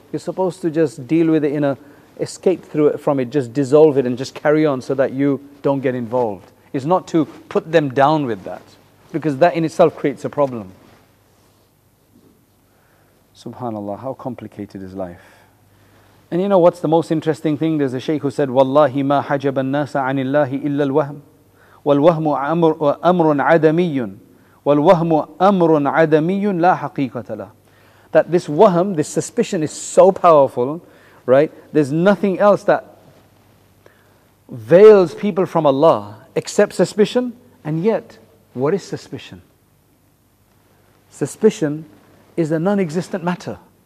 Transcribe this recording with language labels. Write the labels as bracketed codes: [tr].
[en] You're supposed to just deal with it in a escape through it from it, just dissolve it and just carry on so that you don't get involved. It's not to put them down with that, because that in itself creates a problem. Subhanallah, how complicated is life. And you know what's the most interesting thing? There's a sheikh who said, [ar] Wallahi ma hajab an-nasa anillahi illa al-wahm. والوهم أمر عدمي والوهم أمر عدمي لا حقيقة له. [en] That this waham, this suspicion is so powerful, right? There's nothing else that veils people from Allah except suspicion. And yet, what is suspicion? Suspicion is a non-existent matter.